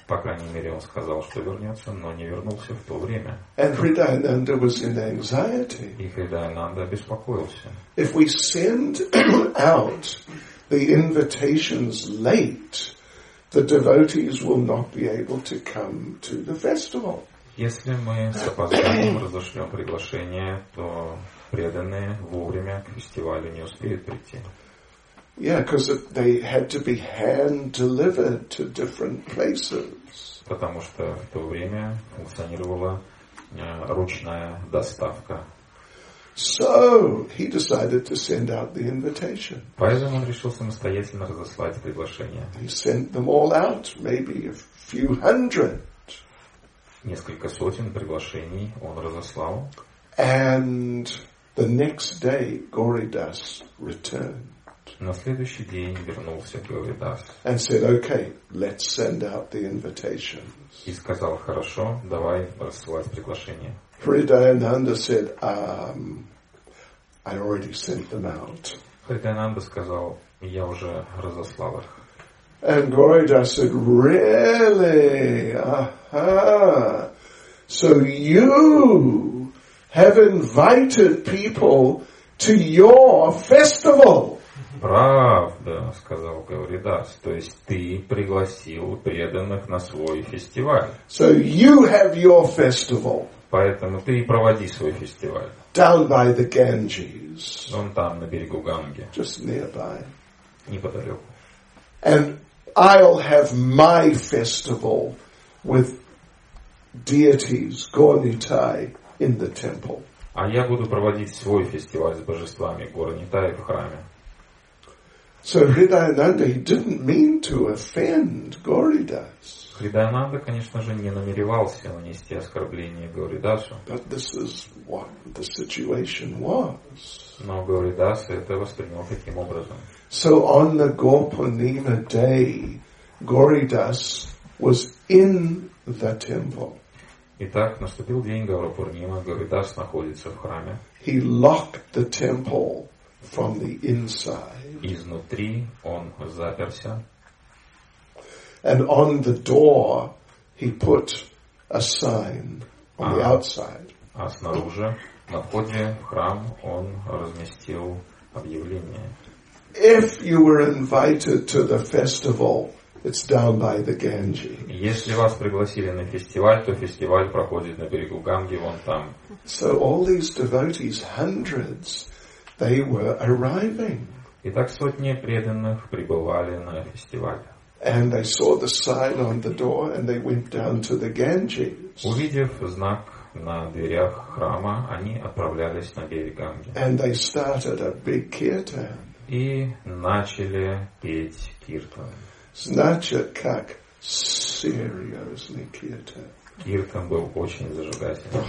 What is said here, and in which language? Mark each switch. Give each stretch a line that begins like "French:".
Russian: По крайней мере, он сказал, что вернется, но не вернулся в то время.
English: And Hridayananda was in anxiety.
Russian: И Хридаянанда беспокоился.
English: If we send out the invitations late, the devotees will not be able to come to the festival.
Russian: Если мы с опозданием разошлем приглашение, то преданные вовремя к фестивалю не успеют прийти.
English: Yeah, because they had to be hand delivered to different places.
Russian: Потому что в то время функционировала ручная доставка.
English: So he decided to send out the invitation.
Russian: Поэтому он решил самостоятельно разослать приглашения.
English: He sent them all out, maybe a few hundred.
Russian: Несколько сотен приглашений он разослал.
English: And the next day, Gauri Das returned.
Russian: На следующий день вернулся Гаури Дас.
English: And said, okay, let's send out the invitations.
Russian: И сказал, хорошо, давай рассылать приглашение.
English: Hridayananda said, I already sent them out.
Russian: Hridayananda сказал, я уже разослал их.
English: And Gauri Das said, really? Aha. So you have invited people to your festival.
Russian: Правда, сказал Гаури Дас, то есть ты пригласил преданных на свой фестиваль.
English: So you have your festival.
Russian: Поэтому ты и проводи свой фестиваль.
English: Down by the Ganges.
Russian: Он там, на берегу Ганги.
English: Just nearby.
Russian: Неподалеку.
English: And I'll have my festival with deities, Gornitai, in the temple.
Russian: А я буду проводить свой фестиваль с божествами Горнитай в храме.
English: So Hridayananda, he didn't mean to offend Gauri Das.
Russian: Hridayananda, конечно же, не намеревался нанести оскорбление Гаури Дасу.
English: But this is what the situation was.
Russian: Но Гаури Дас это воспринял таким образом.
English: So on the Gopinima day, Gauri Das was in the temple.
Russian: Итак, наступил день Гаура Пурнима, Гаури Дас находится в храме.
English: He locked the temple from the inside.
Russian: Изнутри он заперся.
English: And on the door he put a sign on the outside.
Russian: А снаружи, на входе в храм, он разместил объявление.
English: If you were invited to the festival, It's down by the Ganges.
Russian: Если вас пригласили на фестиваль, то фестиваль проходит на берегу Ганги, вон там.
English: So all these devotees, hundreds, they were arriving.
Russian: Итак, сотни преданных прибывали на фестиваль.
English: And they saw the sign on the door, and they went down to the Ganges.
Russian: Увидев знак на дверях храма, они отправлялись на берег Ганги.
English: And they started a big kirtan.
Russian: И начали петь киртан. Значит, как серьезный киртан. Киртан был очень зажигательный.